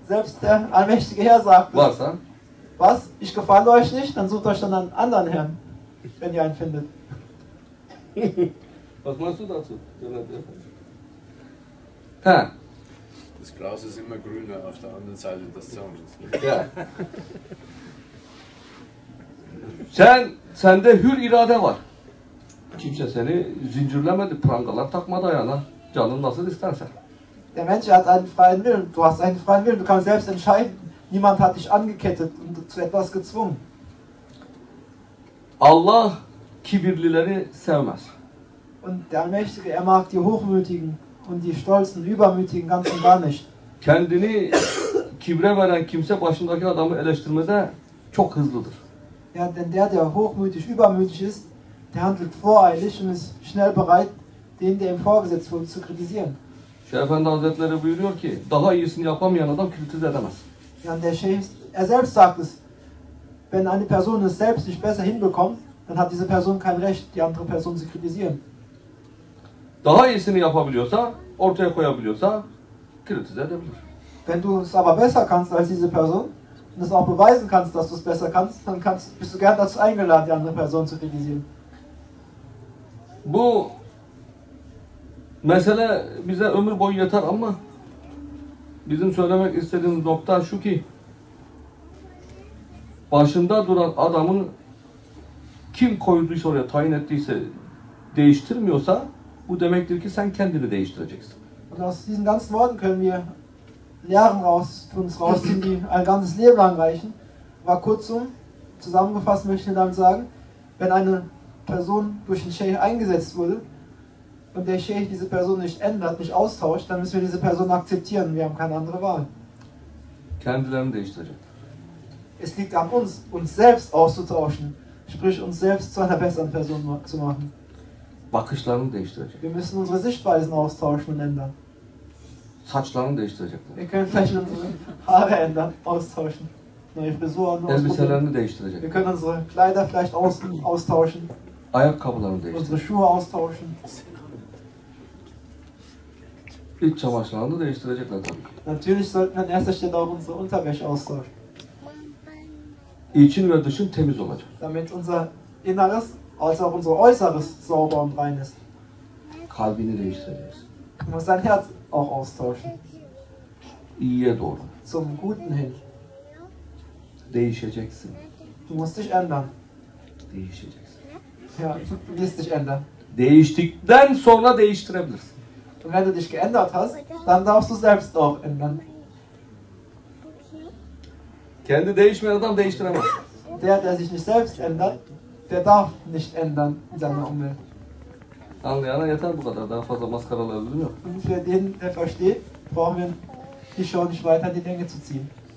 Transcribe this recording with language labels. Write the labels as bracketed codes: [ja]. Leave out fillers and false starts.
[de] Selbst der allmächtige Herr sagt, [tr] varsa, [de] was, ich gefalle euch nicht, dann sucht euch dann einen anderen Herrn, wenn ihr einen findet. Was meinst du dazu? Ha. Das Gras ist immer grüner auf der anderen Seite des Zaunes. Ja. [tr] Sen, sende hür irade var. Kimse seni zincirlemedi, prangalar takmadı ayağına. Canın nasıl isterse. [de] Der Mensch hat einen freien Willen. Du hast einen freien Willen. Du kannst selbst entscheiden. Niemand hat dich angekettet und zu etwas gezwungen. [tr] Allah kibirlileri sevmez. [de] Und der Allmächtige, er mag die Hochmütigen und die Stolzen, Übermütigen ganz und gar nicht. [tr] Kendini kibre veren kimse başındaki adamı eleştirmede çok hızlıdır. [de] Ja, denn der, der hochmütig, übermütig ist, der handelt voreilig und ist schnell bereit, den, der ihm vorgesetzt wurde, zu kritisieren. [tr] Şeyh Efendi Hazretleri buyuruyor ki, daha iyisini yapamayan adam kritize edemez. Yani [de] der Şeyh, er selbst sagt es, wenn eine Person es selbst nicht besser hinbekommt, dann hat diese Person kein Recht, die andere Person zu kritisieren. [tr] Daha iyisini yapabiliyorsa, ortaya koyabiliyorsa, kritize edebilir. [de] Wenn du es aber besser kannst als diese Person, und es auch beweisen kannst, dass du es besser kannst, dann kannst, bist du gern dazu eingeladen, die andere Person zu kritisieren. [tr] Bu mesele bize ömür boyu yeter ama bizim söylemek istediğimiz nokta şu ki başında duran adamın kim koyduysa oraya, tayin ettiyse değiştirmiyorsa bu demektir ki sen kendini değiştireceksin. [de] Und aus diesen ganzen Worten können wir Lehren raus für uns rausziehen, die ein ganzes Leben lang reichen. Aber kurzum, zusammengefasst möchte ich damit sagen, wenn eine Person durch den Sheikh eingesetzt wurde, und der Sheikh diese Person nicht ändert, nicht austauscht, dann müssen wir diese Person akzeptieren. Wir haben keine andere Wahl. [tr] Kendilerini değiştirecek. [de] Es liegt an uns, uns selbst auszutauschen, sprich uns selbst zu einer besseren Person zu machen. [tr] Bakışlarını değiştirecek. [de] Wir müssen unsere Sichtweisen austauschen und ändern. [tr] Saçlarını değiştirecekler. [de] Wir können vielleicht unsere Haare ändern, austauschen. Neue Frisuren. [tr] Elbiselerini değiştirecekler. [de] Wir können unsere Kleider vielleicht austauschen. [tr] Ayakkabılarını değiştirecekler. [de] Unsere Schuhe austauschen. [tr] İç çamaşırlarını değiştirecekler tabii. [de] Natürlich sollten wir in erster Stelle auch unsere Unterwäsche austauschen. [tr] İçin ve dışın temiz olacak. [de] Damit unser Inneres als auch unser Äußeres sauber und rein ist. [tr] Kalbini değiştireceğiz. [de] Und sein Herz auch austauschen. [tr] İyiye doğru. [de] Zum Guten hin. [tr] Değişeceksin. [de] Du musst dich ändern. [tr] Değişeceksin. [de] Ja, du wirst dich ändern. [tr] Değiştikten sonra değiştirebilirsin. [de] Und wenn du dich geändert hast, dann darfst du selbst auch ändern. [tr] Kendi değişmeyen adam değiştiremez. [de] Der, der sich nicht selbst ändert, der darf nicht ändern in seiner Umwelt. [tr] Anlayana yeter bu kadar. Daha fazla maskaralı özürüm yok. [de] Und für den, der versteht, brauchen wir die Show nicht weiter in die Länge zu ziehen.